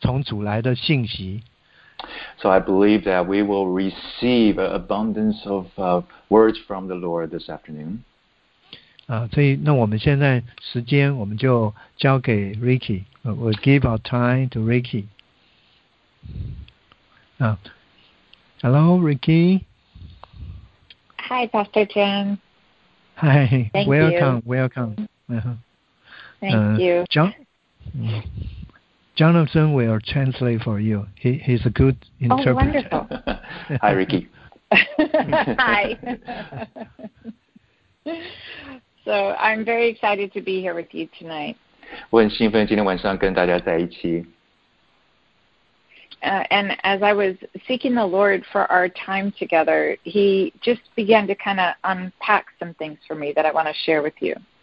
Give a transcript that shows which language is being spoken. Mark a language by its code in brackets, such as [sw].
[zh] 所以我们相信他今天下午会为我们预备很丰盛的从主来的信息。So [en] I believe that we will receive an abundance of words from the Lord this afternoon. [zh] 所以那我们现在时间我们就交给Ricky. [en] We'll give our time to Ricky. Hello, Ricky. Hi, Pastor Tim. Hi, thank welcome. Thank you. Jonathan will translate for you. He's a good interpreter. Oh, wonderful. Hi, Ricky. Hi. So I'm very excited to be here with you tonight. [zh] 我很兴奋今天晚上跟大家在一起。 [en] And as I was seeking the Lord for our time together, He just began to kind of unpack some things for me that I want to share with you.